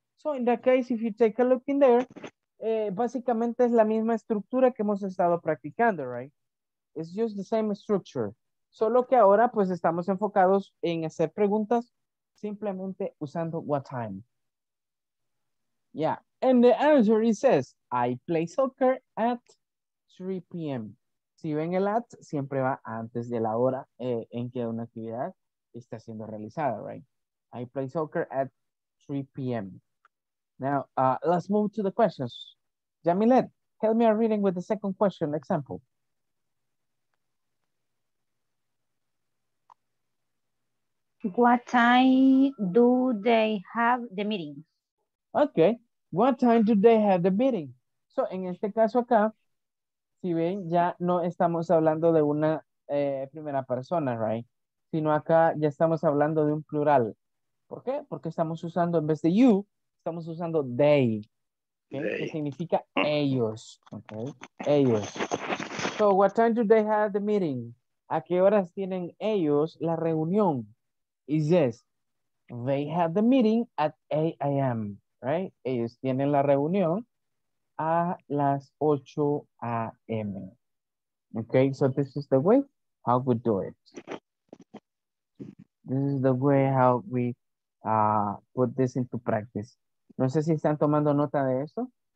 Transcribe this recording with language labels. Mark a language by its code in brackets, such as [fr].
[en] So in that case, if you take a look in there, [es] básicamente es la misma estructura que hemos estado practicando, [en] right? It's just the same structure. [es] Solo que ahora pues estamos enfocados en hacer preguntas simplemente usando what time. [en] Yeah, and the answer it says, I play soccer at 3 p.m. [es] Si ven el at, siempre va antes de la hora en que una actividad está siendo realizada, [en] right? I play soccer at 3 p.m. Now, let's move to the questions. Jamilet, help me a reading with the second question example. What time do they have the meeting? Okay, what time do they have the meeting? [es] So, en este caso acá, si ven, ya no estamos hablando de una primera persona, [en] right? [es] Sino acá ya estamos hablando de un plural. ¿Por qué? Porque estamos usando, en vez de you, estamos usando they. ¿Okay? They. Que significa ellos. ¿Okay? Ellos. [en] So, what time do they have the meeting? [es] ¿A qué horas tienen ellos la reunión? [en] It says, they have the meeting at 8 a.m. Right? [es] Ellos tienen la reunión a las 8 a.m. [en] Okay, so this is the way how we do it. This is the way how we put this into practice. [es] No sé si están tomando nota de eso.